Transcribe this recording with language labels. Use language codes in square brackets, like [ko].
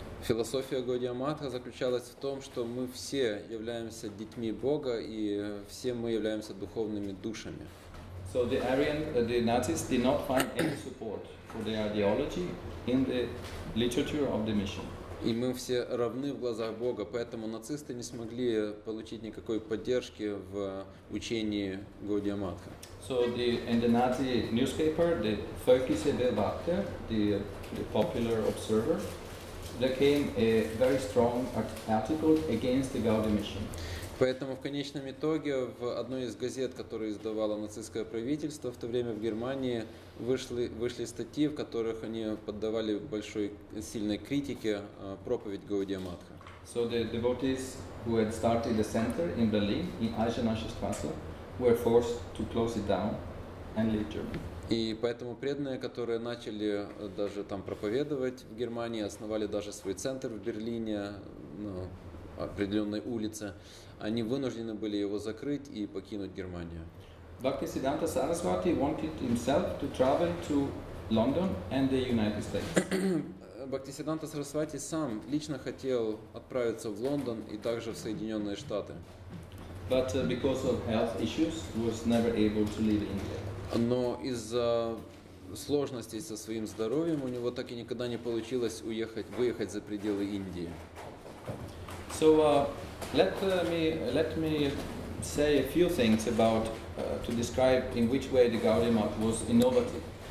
[ru] Философия Гаудия Матха заключалась в том, что мы все являемся детьми Бога и все мы являемся духовными душами. [en] So the Aryan, the Nazis did not find any support for their ideology in the literature of the mission. [ru] И мы все равны в глазах Бога, поэтому нацисты не смогли получить никакой поддержки в учении Гаудия Матха. [en] So the Nazi newspaper, the Völkische Beobachter, the popular observer, there came a very strong article against the Gaudium mission. [ru] Поэтому в конечном итоге в одной из газет, которую издавало нацистское правительство в то время в Германии, вышли статьи, в которых они поддавали большой сильной критике проповедь Гаудия Матха. [en] So the devotees who had started the center in Berlin in Eisenacherstrasse were forced to close it down and leave Germany. [ru] И поэтому преданные, которые начали даже там проповедовать в Германии, основали даже свой центр в Берлине, ну, определенной улице, они вынуждены были его закрыть и покинуть Германию. [en] Bhaktisiddhanta Saraswati wanted himself to travel to London and the United States. [ru] Bhaktisiddhanta Saraswati сам лично хотел отправиться в Лондон и также в Соединенные Штаты. [en] But because of health issues, was never able to leave India. [ru] Но из-за сложностей со своим здоровьем у него так и никогда не получилось выехать за пределы Индии. [en] So let me say a few things about to describe in which way the Gaudium Mat was innovative.